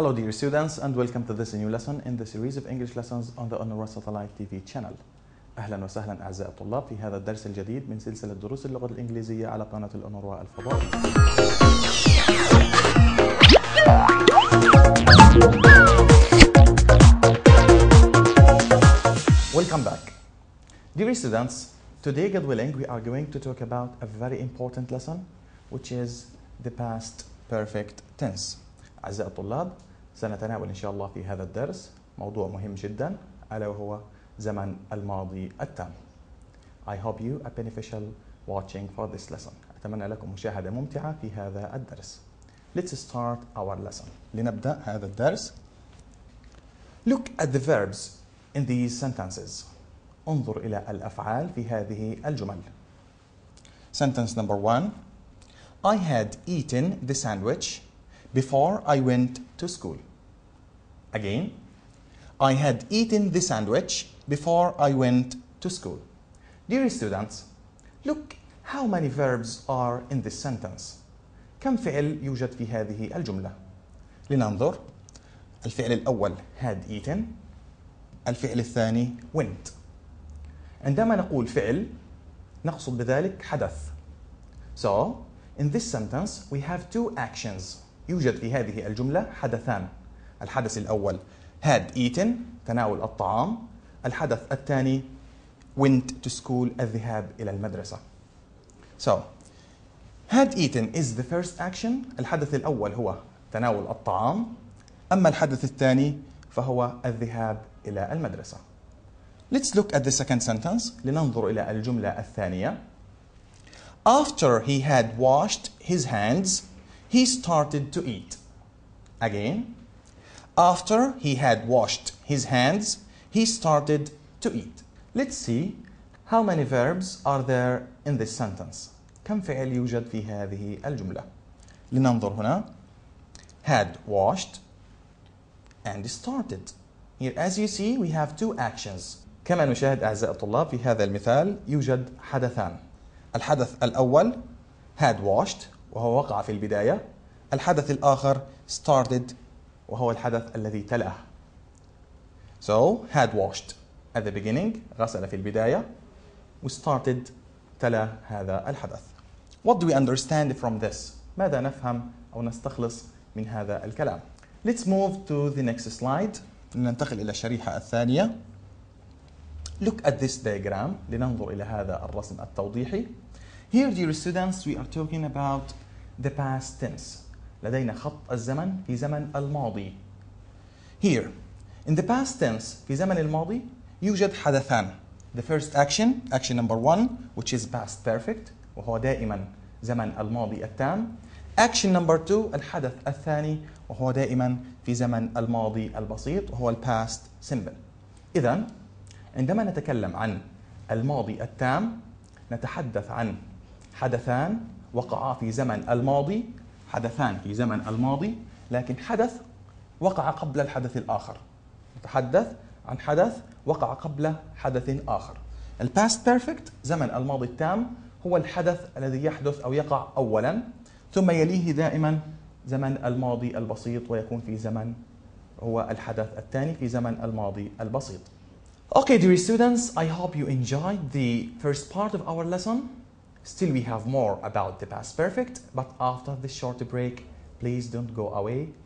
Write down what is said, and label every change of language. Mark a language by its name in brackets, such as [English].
[English] Students and welcome to this new lesson in the series of English lessons on the Honor Satellite TV channel. [Arabic] اهلا وسهلا اعزائي الطلاب في هذا الدرس الجديد من سلسله دروس اللغه الانجليزيه على قناه الأونر والفضاء. [English] Welcome back. Dear students, today God willing we are going to talk about a very important lesson which is the past perfect tense. [Arabic] اعزائي الطلاب سنتناول إن شاء الله في هذا الدرس موضوع مهم جداً ألا وهو زمن الماضي التام. [English] I hope you a beneficial watching for this lesson. [Arabic] أتمنى لكم مشاهدة ممتعة في هذا الدرس. [English] Let's start our lesson. [Arabic] لنبدأ هذا الدرس. [English] Look at the verbs in these sentences. [Arabic] انظر إلى الأفعال في هذه الجمل. [English] Sentence number one. I had eaten the sandwich before I went to school. Again, I had eaten the sandwich before I went to school. Dear students, look how many verbs are in this sentence. [Arabic] كم فعل يوجد في هذه الجملة؟ لننظر. الفعل الأول had eaten. الفعل الثاني went. عندما نقول فعل نقصد بذلك حدث. [English] So, in this sentence we have two actions. [Arabic] يوجد في هذه الجملة حدثان. الحدث الأول had eaten, تناول الطعام. الحدث الثاني [English] went to school, [Arabic] الذهاب إلى المدرسة. [English] So, had eaten is the first action. [Arabic] الحدث الأول هو تناول الطعام. أما الحدث الثاني فهو الذهاب إلى المدرسة. [English] Let's look at the second sentence. [Arabic] لننظر إلى الجملة الثانية. [English] After he had washed his hands, he started to eat. Again. After he had washed his hands, he started to eat. Let's see how many verbs are there in this sentence. [Arabic] كم فعل يوجد في هذه الجملة؟ لننظر هنا. [English] Had washed and started. Here, as you see, we have two actions. [Arabic] كما نشاهد أعزائي الطلاب في هذا المثال يوجد حدثان. الحدث الأول had washed وهو وقع في البداية. الحدث الآخر started وهو الحدث الذي تلاه. [English] So had washed at the beginning [Arabic] غسل في البداية [English] وstarted [Arabic] تلا هذا الحدث. [English] What do we understand from this? [Arabic] ماذا نفهم أو نستخلص من هذا الكلام؟ [English] Let's move to the next slide. [Arabic] لننتقل إلى الشريحة الثانية. [English] Look at this diagram. [Arabic] لننظر إلى هذا الرسم التوضيحي. [English] Here, dear students, we are talking about the past tense. [Arabic] لدينا خط الزمن في زمن الماضي. [English] Here, in the past tense, [Arabic] في زمن الماضي, يوجد حدثان. [English] The first action, action number one, which is past perfect, [Arabic] وهو دائما زمن الماضي التام. [English] Action number two, [Arabic] الحدث الثاني, وهو دائما في زمن الماضي البسيط, وهو ال past simple. إذن عندما نتكلم عن الماضي التام نتحدث عن حدثان وقعا في زمن الماضي. حدثان في زمن الماضي لكن حدث وقع قبل الحدث الآخر. نتحدث عن حدث وقع قبل حدث آخر. الباست بيرفكت زمن الماضي التام هو الحدث الذي يحدث أو يقع أولا ثم يليه دائما زمن الماضي البسيط ويكون في زمن هو الحدث الثاني في زمن الماضي البسيط. [English] Okay, dear students, I hope you enjoyed the first part of our lesson. Still, we have more about the past perfect, but after this short break, please don't go away.